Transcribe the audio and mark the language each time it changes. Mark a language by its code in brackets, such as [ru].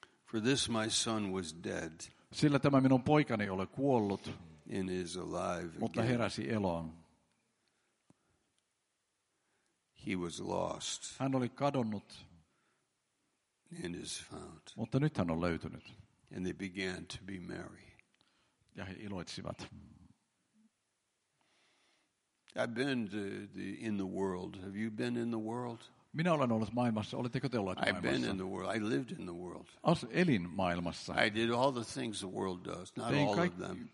[en] For this my son was dead. [fi] Sillä tämä minun poikani oli kuollut. [en] And is alive again. [fi] Mutta heräsi eloon. [en] He was lost. [fi] Hän oli kadonnut. [en] And is found. [fi] Mutta nyt hän on löytynyt. [en] And they began to be merry. [fi] Ja he iloitsivat. [en] I've been in the world. Have you been in the world? [fi] Minä olen ollut maailmassa. Oletteko te olleet maailmassa? [en] I've been in the world. I lived in the world. [fi] Elin maailmassa. [en] I did all the things the world does, not all of them.